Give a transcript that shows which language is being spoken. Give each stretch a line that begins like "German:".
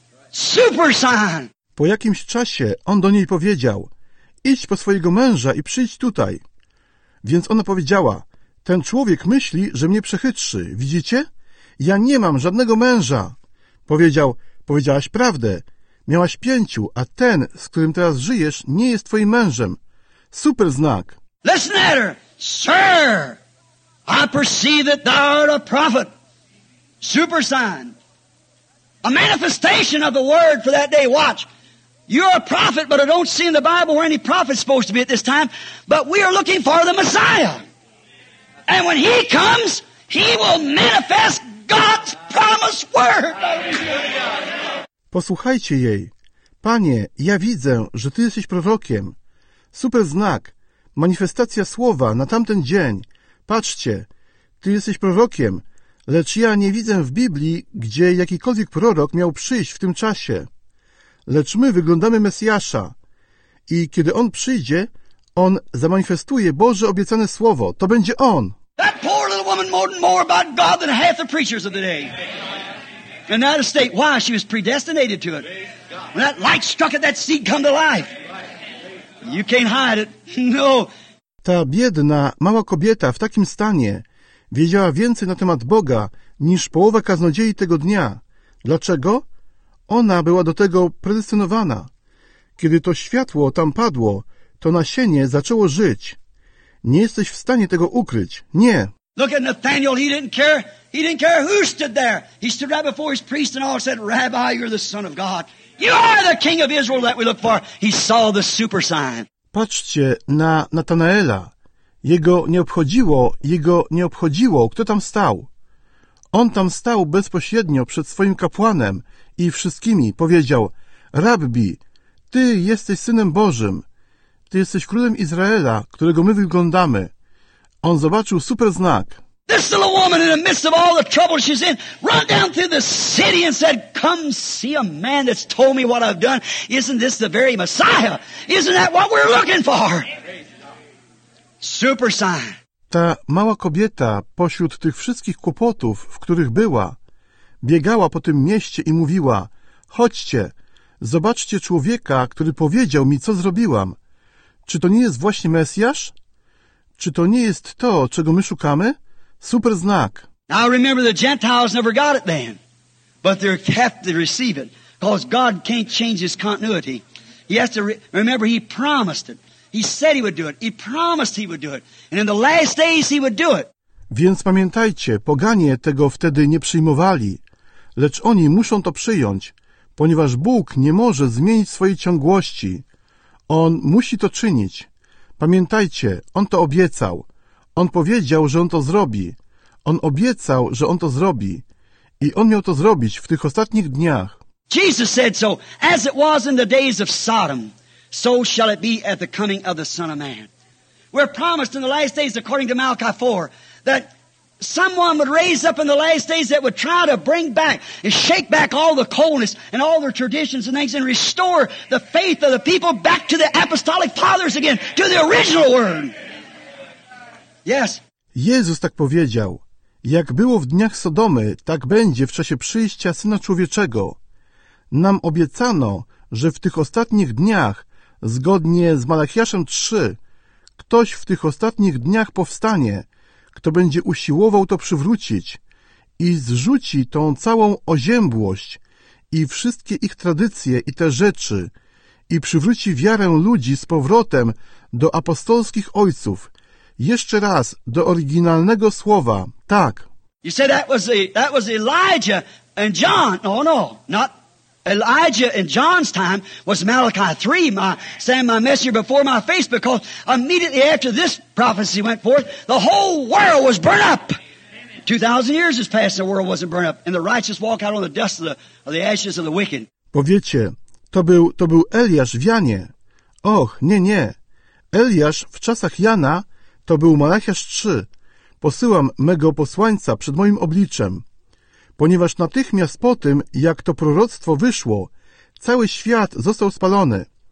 English: Super sign!
Polish: Po jakimś czasie on do niej powiedział, idź po swojego męża i przyjdź tutaj. Więc ona powiedziała, ten człowiek myśli, że mnie przechytrzy, widzicie? Ja nie mam żadnego męża. Powiedziałaś prawdę. Miałaś pięciu, a ten, z którym teraz żyjesz, nie jest twoim mężem. Super znak!
English: Listen at her! Sir! I perceive that thou art a prophet. Super sign. A manifestation of the word for that day. Watch. You're a prophet, but I don't see in the Bible where any prophet's supposed to be at this time. But we are looking for the Messiah. And when he comes, he will manifest God's promised word.
Polish: Posłuchajcie jej. Panie, ja widzę, że ty jesteś prorokiem. Super znak! Manifestacja słowa na tamten dzień! Patrzcie! Ty jesteś prorokiem, lecz ja nie widzę w Biblii, gdzie jakikolwiek prorok miał przyjść w tym czasie. Lecz my wyglądamy Mesjasza. I kiedy On przyjdzie, On zamanifestuje Boże obiecane słowo. To będzie On!
English: That poor little woman knew more about God than half the preachers of the day. And that estate, why? She was predestinated to it. When that light struck it, that seed come to life. You can't hide it. No.
Polish: Ta biedna, mała kobieta w takim stanie wiedziała więcej na temat Boga niż połowa kaznodziei tego dnia. Dlaczego? Ona była do tego predestynowana. Kiedy to światło tam padło, to nasienie zaczęło żyć. Nie jesteś w stanie tego ukryć. Nie.
English: Look at Nathaniel, he didn't care. He didn't care who stood there. He stood right before his priest and all said, Rabbi, you're the son of God. You are the king of Israel that we look for. He saw the super sign.
Polish: Patrzcie na Natanaela. Jego nie obchodziło, kto tam stał. On tam stał bezpośrednio przed swoim kapłanem i wszystkimi. Powiedział, Rabbi, ty jesteś Synem Bożym. Ty jesteś królem Izraela, którego my wyglądamy. On zobaczył super znak.
English: This little woman in the midst of all the trouble she's in run down through the city and said, come see a man that's told me what I've done. Isn't this the very Messiah? Isn't that what we're looking for? Super sign.
Polish: Ta mała kobieta pośród tych wszystkich kłopotów, w których była, biegała po tym mieście i mówiła, chodźcie, zobaczcie człowieka, który powiedział mi, co zrobiłam. Czy to nie jest właśnie Mesjasz? Czy to nie jest to, czego my szukamy? Super znak.
English: I remember the Gentiles never got it then, but they're kept to receive it, because God can't change his continuity. He has to remember he promised it. He said he would do it. He promised he would do it. And in the last days he would do it.
Polish: Więc pamiętajcie, poganie tego wtedy nie przyjmowali, lecz oni muszą to przyjąć, ponieważ Bóg nie może zmienić swojej ciągłości. On musi to czynić. Pamiętajcie, On to obiecał. On powiedział, że On to zrobi. On obiecał, że On to zrobi. I On miał to zrobić w tych ostatnich dniach.
English: Jesus said so, as it was in the days of Sodom, so shall it be at the coming of the Son of Man. We're promised in the last days, according to Malachi 4, that someone would raise up in the last days that would try to bring back and shake back all the coldness and all their traditions and things and restore the faith of the people back to the apostolic fathers again, to the original word. Yes.
Polish: Jezus tak powiedział, jak było w dniach Sodomy, tak będzie w czasie przyjścia Syna Człowieczego. Nam obiecano, że w tych ostatnich dniach, zgodnie z Malachiaszem 3, ktoś w tych ostatnich dniach powstanie, kto będzie usiłował to przywrócić i zrzuci tą całą oziębłość i wszystkie ich tradycje i te rzeczy i przywróci wiarę ludzi z powrotem do apostolskich ojców, jeszcze raz do oryginalnego słowa, tak.
English: You said that was Elijah and John. No, no, not Elijah and John's time was Malachi 3, my messenger before my face, because immediately after this prophecy went forth, the whole world was burnt up. 2,000 years has passed and the world wasn't burnt up. And the righteous walk out on the dust of the ashes of the wicked.
Polish: Powiecie, to był Eliasz w Janie. Och, nie, nie. Eliasz w czasach Jana to był Malachiasz 3. Posyłam mego posłańca przed moim obliczem. Ponieważ natychmiast po tym, jak to proroctwo wyszło, cały świat został spalony.